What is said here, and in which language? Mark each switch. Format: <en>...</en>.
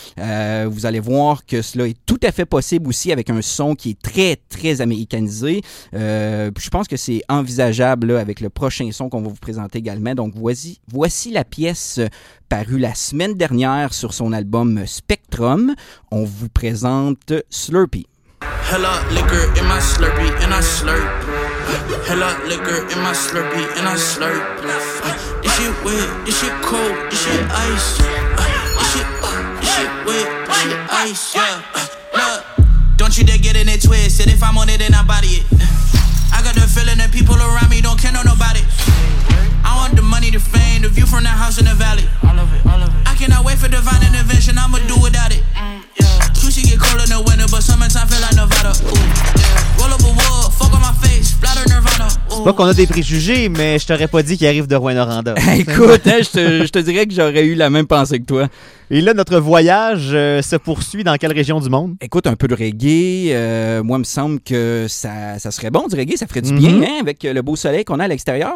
<fr>Vous allez voir que cela est tout à fait possible aussi avec un son qui est très, très américanisé. Je pense que c'est envisageable là, avec le prochain son qu'on va vous présenter également. Donc, voici la pièce parue la semaine dernière sur son album Spectrum. On vous présente Slurpee.</fr> <en>Hella liquor in my Slurpee and I slurp. Hella liquor in my Slurpee and I slurp. Is she wet? Is she cold? Is she ice? Is she wet? Is she ice? Yeah. Don't you dare get in it twisted. If I'm on it, then I body it. I got the feeling that people around me don't care no nobody. I want the money, the fame, the view from the house in the valley. I love it. I cannot wait for divine intervention. I'ma do without it. Cushy get cold in the winter, but summertime feel like Nevada. Ooh, yeah. Roll up a wall, fuck on my face, flatter Nirvana.</en> <fr>C'est pas qu'on a des préjugés, mais je t'aurais pas dit qu'il arrive de Rouyn-Noranda. Écoute, hein, je te dirais que j'aurais eu la même pensée que toi. Et là, notre voyage se poursuit dans quelle région du monde? Écoute, un peu de reggae. Moi, il me semble que ça serait bon du reggae. Ça ferait du bien hein, avec le beau soleil qu'on a à l'extérieur.</fr>